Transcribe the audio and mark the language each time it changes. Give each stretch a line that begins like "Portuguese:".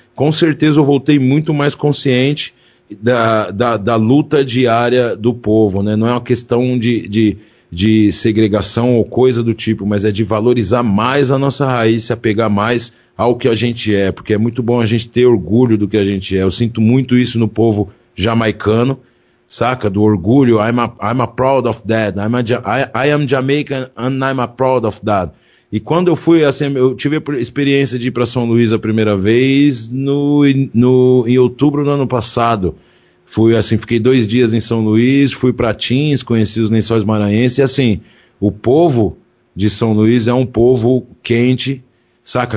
Portuguese: Com certeza eu voltei muito mais consciente da luta diária do povo, né? Não é uma questão de segregação ou coisa do tipo, mas é de valorizar mais a nossa raiz, se apegar mais ao que a gente é, porque é muito bom a gente ter orgulho do que a gente é. Eu sinto muito isso no povo jamaicano, saca? Do orgulho,
English: I'm a proud of that, I am Jamaican and I'm a proud of that.
Portuguese: E quando eu fui, assim, eu tive a experiência de ir para São Luís a primeira vez em outubro do ano passado. Fui, assim, fiquei 2 dias em São Luís, fui para Tins, conheci os Lençóis Maranhenses. E, assim, o povo de São Luís é um povo quente, saca?